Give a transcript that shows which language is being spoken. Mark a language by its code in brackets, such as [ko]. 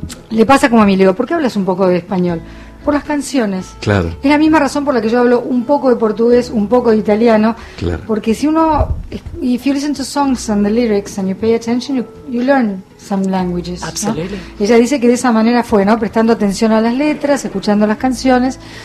[es] Le pasa como a Emilio, ¿por qué hablas un poco de español? Por las canciones. Claro. Es la misma razón por la que yo hablo un poco de portugués, un poco de italiano. Claro. Porque si uno, [en] if you listen to songs and the lyrics and you pay attention, you learn some languages. Absolutely. [es] ¿No? Ella dice que de esa manera fue, ¿no? Prestando atención a las letras, escuchando las canciones.